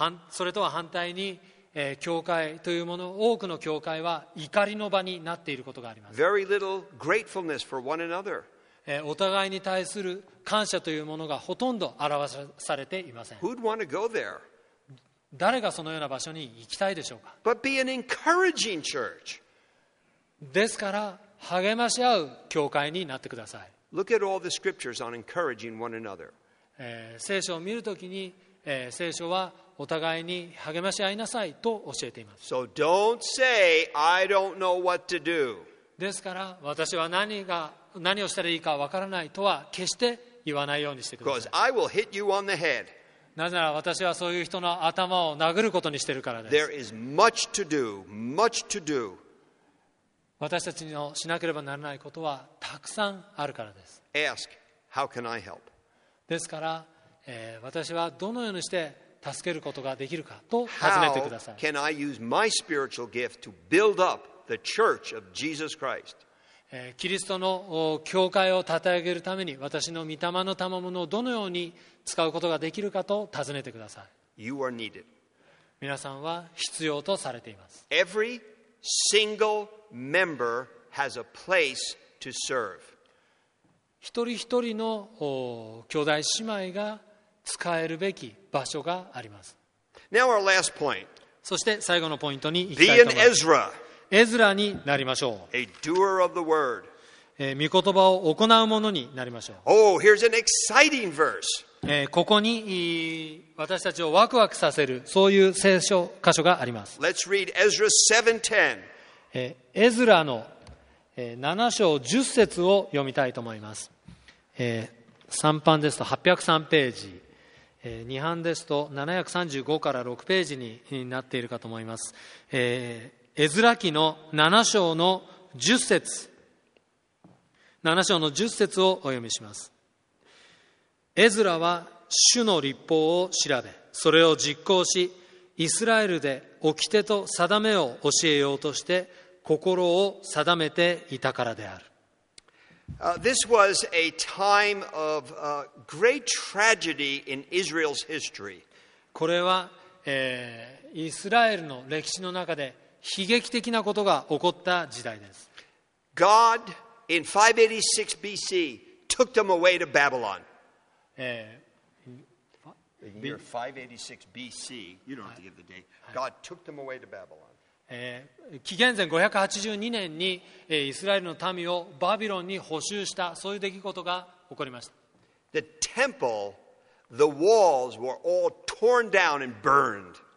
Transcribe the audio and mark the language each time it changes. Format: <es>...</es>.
<ja>それとは反対に、教会というもの、多くの教会は怒りの場になっていることがあります。</ja> <en>Very little gratefulness for one another.</en> <ja>お互いに対する感謝というものがほとんど表されていません。</ja> <en>Who'd want to go there?</en> <ja>誰がそのような場所に行きたいでしょうか。</ja> <en>But be an encouraging church.</en> <ja>ですから励まし合う教会になってください。</ja> <en>Look at all the scriptures on encouraging one another.</en> <ja>聖書を見るときに、聖書はお互いに励まし合いなさいと教えています。</ja> <en>So don't say I don't know what to do.</en> <ja>ですから私は何をしたらいいかわからないとは決して言わないようにしてください。</ja> <en>Because I will hit you on the head.</en> <ja>なぜなら私はそういう人の頭を殴ることにしているからです。</ja> <en>There is much to do, much to do.</en> <ja>私たちのしなければならないことはたくさんあるからです。</ja> <en>Ask, how can I help?</en> <ja>ですから、私はどのようにして助けることができるかと尋ねてください。</ja> <en>How can I use my spiritual gift to build up the church of Jesus Christ?</en> <ja>キリストの教会を立て上げるために私の御霊の賜物をどのように使うことができるかと尋ねてください。</ja> <en>You are needed.</en> <ja>皆さんは必要とされています。</ja> <en>Every singleMember has a place to serve.</en> <ja>一人一人の兄弟姉妹が使えるべき場所があります。</ja> <en>Now our last point.</en> <ja>そして最後のポイントに行きたいと思います。</ja> <en>Be an Ezra.</en> <ja>エズラになりましょう。</ja> <en>A doer of the word.</en> <ja>御言葉を行う者になりましょう。</ja> <en>Oh, here's an exciting verse.</en> <ja>ここに私たちをワクワクさせるそういう聖書箇所があります。</ja> <en>Let's read Ezra 7:10.</en> <ja>エズラの7章10節を読みたいと思います。 3版ですと803ページ、2版ですと735から6ページになっているかと思います。エズラ記の7章の10節、7章の10節をお読みします。エズラは主の律法を調べ、それを実行し、イスラエルで掟と定めを教えようとして心を定めていたからである。</ja> <en>This was a time of great tragedy in Israel's history.</en> <ja>これは、イスラエルの歴史の中で悲劇的なことが起こった時代です。</ja> <en>God, in 586 BC, took them away to Babylon. In the year 586 BC, you don't have to give the date. God took them away to Babylon.</en> <ja>紀元前582年に、イスラエルの民をバビロンに捕囚した、そういう出来事が起こりました。</ja> <en>The temple, the walls were all torn down and burned.</en>